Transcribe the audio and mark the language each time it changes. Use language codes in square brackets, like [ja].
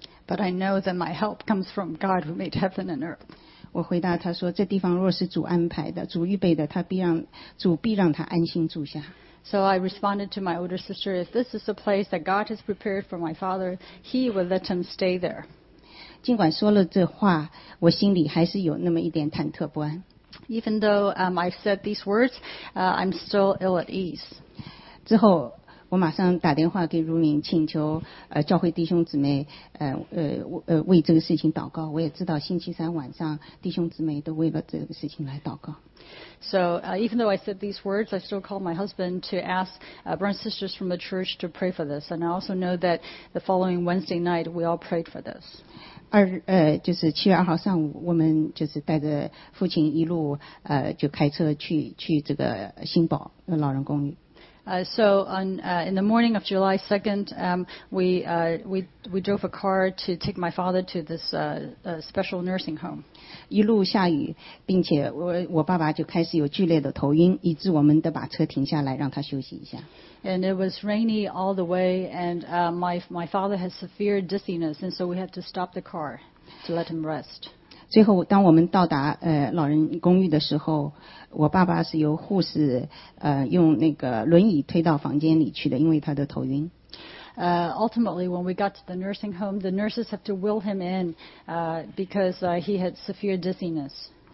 [en] But I know that my help comes from God who made heaven and earth. [zh] 我回答他说：“这地方若是主安排的，主预备的，他必让主必让他安心住下。” [en] So I responded to my older sister, "If this is a place that God has prepared for my father, He will let him stay there." [zh] 尽管说了这话，我心里还是有那么一点忐忑不安。 [en] Even though I've said these words, I'm still ill at ease. [zh] 之后。我马上打电话给如敏，请求教会弟兄姊妹为这个事情祷告。我也知道星期三晚上弟兄姊妹都为了这个事情来祷告。 [en] So even though I said these words, I still called my husband to ask brothers and sisters from the church to pray for this. And I also know that the following Wednesday night we all prayed for this. [zh] 就是七月二号上午，我们就是带着父亲一路就开车去这个新堡老人公寓。 [en] In the morning of July 2nd, we drove a car to take my father to this special nursing home. [zh] 一路下雨，并且我爸爸就开始有剧烈的头晕，以致我们得把车停下来让他休息一下。 [en] And it was rainy all the way, and my father has severe dizziness, and so we had to stop the car to let him rest. [zh] 最后，当我们到达老人公寓的时候。我爸爸是由护士用那个轮椅推到房间里去的，因为他的头晕。 [en] Ultimately, when we got to the nursing home, the nurses have to wheel him in because he had severe dizziness.